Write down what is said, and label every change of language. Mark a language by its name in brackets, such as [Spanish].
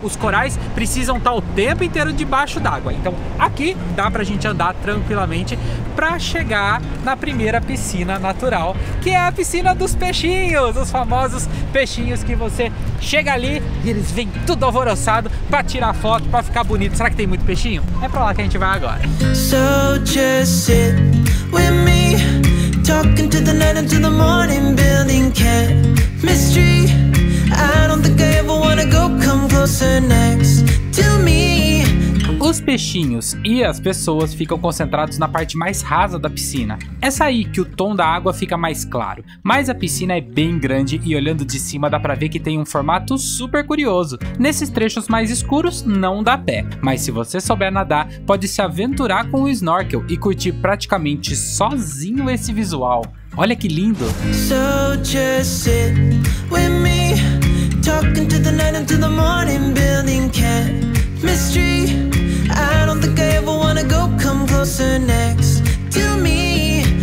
[Portuguese] Os corais precisam estar o tempo inteiro debaixo d'água. Então aqui dá pra gente andar tranquilamente para chegar na primeira piscina natural, que é a piscina dos peixinhos, os famosos peixinhos que você chega ali e eles vêm tudo alvoroçado para tirar foto, para ficar bonito. Será que tem muito peixinho? É para lá que a gente vai agora. [English] So just sit with me. Talking to the night until the morning, building chemistry. I don't think I ever wanna go come closer next to me. [Portuguese] Os peixinhos e as pessoas ficam concentrados na parte mais rasa da piscina. É aí que o tom da água fica mais claro, mas a piscina é bem grande e olhando de cima dá pra ver que tem um formato super curioso. Nesses trechos mais escuros não dá pé, mas se você souber nadar, pode se aventurar com o snorkel e curtir praticamente sozinho esse visual. Olha que lindo! [English] So just sit with me, talking to the night until the morning, building chemistry. I don't think I ever wanna go come closer next to me.